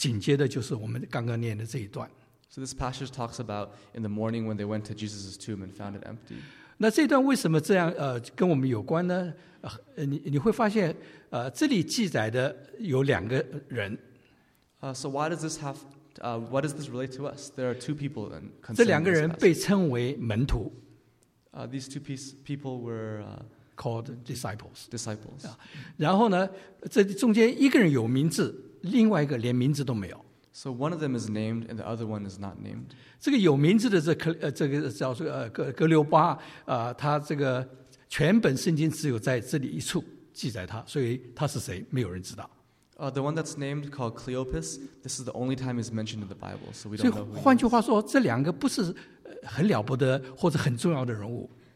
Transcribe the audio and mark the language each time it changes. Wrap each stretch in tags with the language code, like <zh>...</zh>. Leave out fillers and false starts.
<zh>那这故事里面，在记载的时候，它十三节一开始，那里就所记载的就跟前面记载到这些妇女早上去到坟墓和这些使徒到坟墓去看耶稣的空坟墓的时候，紧接着就是我们刚刚念的这一段。So</zh> <en>this passage talks about in the morning when they went to Jesus' tomb and found it empty.</en> <zh>那这段为什么这样跟我们有关呢？你会发现，这里记载的有两个人。</zh> <en>So why does this have, what does this relate to us? There are two people in concerning this.</en> <zh>这两个人被称为门徒。</zh> <en>These two people were called disciples. Disciples.</en> <zh>然后呢，这中间一个人有名字，另外一个连名字都没有。</zh> <en>So one of them is named, and the other one is not named.</en> <zh>这个有名字的这个叫做格留巴，他这个。全本圣经只有在这里一处记载他，所以他是谁，没有人知道。</zh> <en>The one that's named called Cleopas, this is the only time he's mentioned in the Bible, so we don't know who.</en> <zh>所以换句话说，这两个不是很了不得或者很重要的人物。</zh>